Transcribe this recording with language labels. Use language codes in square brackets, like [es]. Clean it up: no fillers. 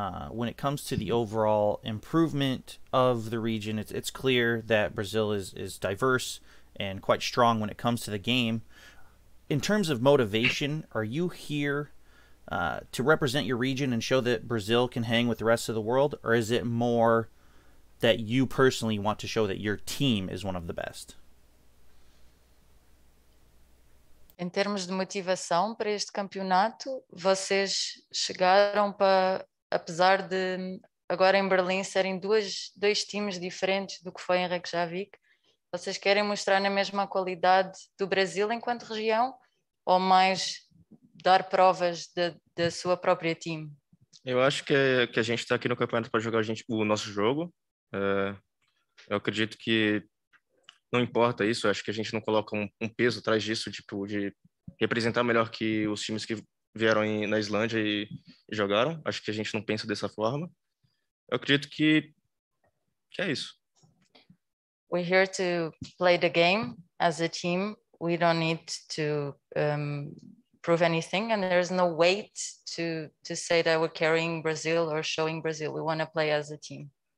[en] When it comes to the overall improvement of the region, it's clear that Brazil is diverse and quite strong when it comes to the game. In terms of motivation, are you here to represent your region and show that Brazil can hang with the rest of the world, or is it more that you personally want to show that your team is one of the best? [pt] Em termos de motivação para este campeonato, vocês chegaram para, apesar de agora em Berlim serem dois times diferentes do que foi em Reykjavik, vocês querem mostrar na mesma qualidade do Brasil enquanto região ou mais dar provas da sua própria team? Eu acho que a gente está aqui no campeonato para jogar o nosso jogo. Eu acredito que não importa isso, acho que a gente não coloca um peso atrás disso, tipo, de representar melhor que os times que vieram na Islândia e jogaram. Acho que a gente não pensa dessa forma. Eu acredito que é isso. [en] We're here to play the game as a team. We don't need to prove anything, and there's no weight to say that we're carrying Brazil or showing Brazil. We want to play as a team.